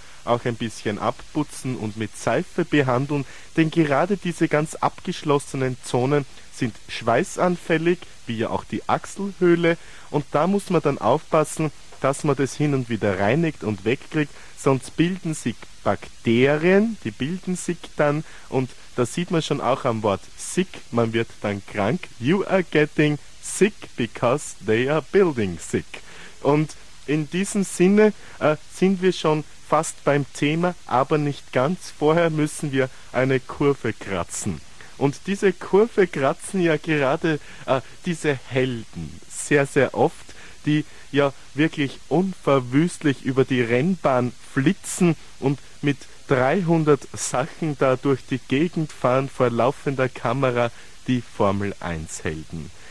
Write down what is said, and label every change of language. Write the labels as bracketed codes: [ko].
[de] auch ein bisschen abputzen und mit Seife behandeln, denn gerade diese ganz abgeschlossenen Zonen sind schweißanfällig, wie ja auch die Achselhöhle, und da muss man dann aufpassen, dass man das hin und wieder reinigt und wegkriegt, sonst bilden sich Bakterien, die bilden sich dann, und da sieht man schon auch am Wort sick, man wird dann krank. [en] You are getting sick because they are building sick. [de] Und in diesem Sinne sind wir schon fast beim Thema, aber nicht ganz. Vorher müssen wir eine Kurve kratzen. Und diese Kurve kratzen ja gerade diese Helden sehr, sehr oft, die ja wirklich unverwüstlich über die Rennbahn flitzen und mit 300 Sachen da durch die Gegend fahren, vor laufender Kamera, die Formel-1-Helden.